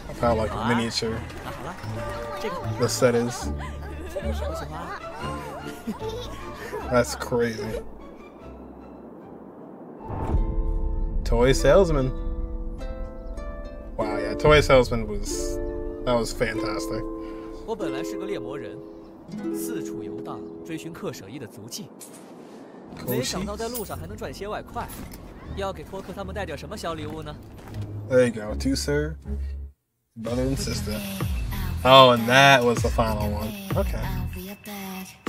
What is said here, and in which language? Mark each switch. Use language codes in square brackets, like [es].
[en] How like a miniature the set is. That's crazy. Toy Salesman. Wow, yeah, Toy Salesman was that was fantastic. [zh] 我本来是个猎魔人，四处游荡，追寻克舍伊的足迹。没想到在路上还能赚些外快，要给托克他们带点什么小礼物呢？ [en] There you go, two sir, brother and sister. Oh, and that was the final one. Okay.